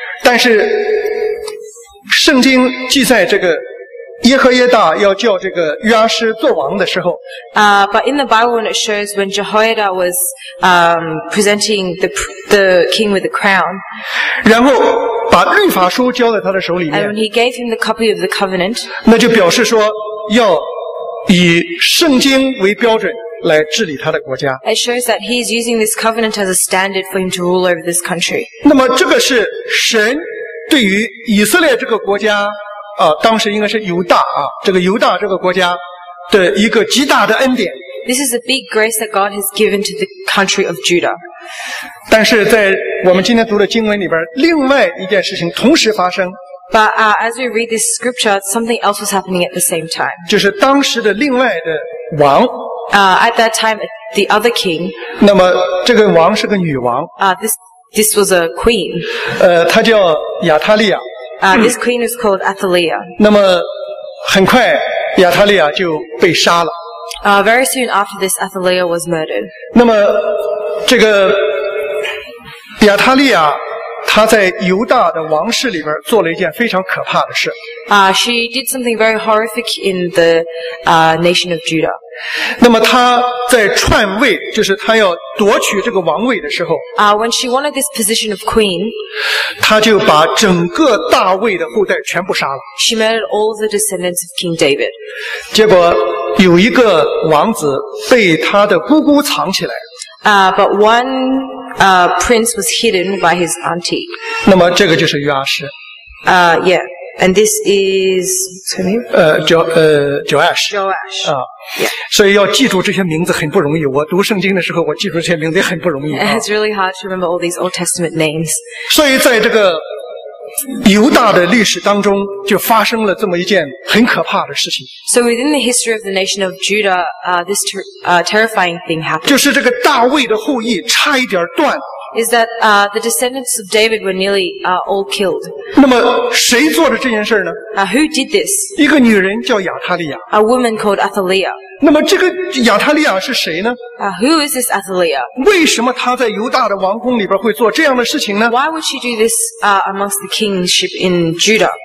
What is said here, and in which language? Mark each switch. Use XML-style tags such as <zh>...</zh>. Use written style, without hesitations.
<zh>但是圣经记载这个耶和耶大要叫这个约阿施做王的时候。</zh> <en>But in the Bible when it shows when Jehoiada was presenting the king with the crown.</en> <zh>然后把律法书交在他的手里面。</zh> <en>And when he gave him the copy of the covenant.</en> <zh>那就表示说要以圣经为标准来治理他的国家。</zh> <en>It shows that he is using this covenant as a standard for him to rule over this country.</en> <zh>那么这个是神对于以色列这个国家当时应该是犹大这个犹大这个国家的一个极大的恩典。</zh> <en>This is a big grace that God has given to the country of Judah.</en> <zh>但是在我们今天读的经文里边，另外一件事情同时发生。</zh> <en>But as we read this scripture, something else was happening at the same time.</en> <zh>就是当时的另外的王。</zh> <en>At that time, the other king.</en> <zh>那么这个王是个女王。</zh> <en>This was a queen.</en> <zh>她叫亚塔利亚。</zh> <en>This queen is called Athaliah.</en> <zh>那么很快亚塔利亚就被杀了。</zh> <en>Very soon after this, Athaliah was murdered.</en> <zh>那么这个亚塔利亚她她在犹大的王室里边做了一件非常可怕的事。</zh> <en>She did something very horrific in the nation of Judah.</en> <zh>那么她在篡位，就是她要夺取这个王位的时候。</zh> <en>When she wanted this position of queen,</en> <zh>她就把整个大卫的后代全部杀了。</zh> <en>She murdered all the descendants of King David.</en> <zh>结果有一个王子被他的姑姑藏起来。</zh> <en>But one prince was hidden by his auntie.</en> <zh>那么这个就是约阿诗。</zh> <en>Yeah. And this is what's her name? Joash. Joash. Yeah.</en> <zh>所以要记住这些名字很不容易。我读圣经的时候，我记住这些名字也很不容易。</zh> <en>It's really hard to remember all these Old Testament names.</en> <zh>所以在这个犹大的历史当中，就发生了这么一件很可怕的事情。</zh> <en>So within the history of the nation of Judah, this terrifying thing happened.</en> <zh>就是这个大卫的后裔差一点断。</zh> <en>Is that the descendants of David were nearly all killed?</en> <zh>那么谁做的这件事呢？</zh> <en>Who did this?</en> <zh>一个女人叫亚他利亚。</zh> <en>A woman called Athaliah.</en> <zh>那么这个亚他利亚是谁呢？</zh> <en>Who is this Athaliah?</en> <zh>为什么她在犹大的王宫里边会做这样的事情呢？</zh> <en>Why would she do this amongst the kingship in Judah?</en>